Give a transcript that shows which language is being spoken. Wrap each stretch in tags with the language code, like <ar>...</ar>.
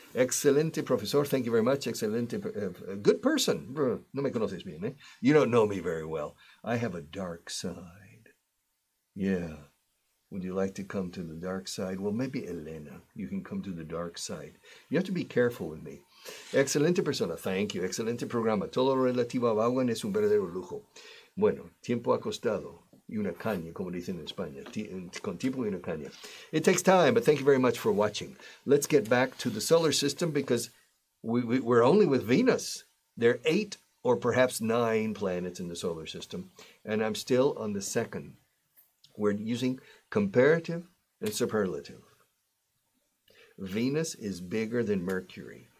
<es>Excelente profesor.</es> <en>Thank you very much.</en> <es>Excelente.</es> <en>Good person.</en> <es>No me conoces bien, eh?</es> <en>You don't know me very well. I have a dark side. Yeah. Would you like to come to the dark side? Well, maybe Elena, you can come to the dark side. You have to be careful with me.</en> <es>Excelente persona.</es> <en>Thank you.</en> <es>Excelente programa. Todo relativo a Vaughan es un verdadero lujo. Bueno, tiempo acostado y una caña, como dicen en España. Con tiempo y una caña.</es> <en>It takes time, but thank you very much for watching. Let's get back to the solar system because we're only with Venus. There are 8 or perhaps 9 planets in the solar system, and I'm still on the second. We're using comparative and superlative. Venus is bigger than Mercury.</en>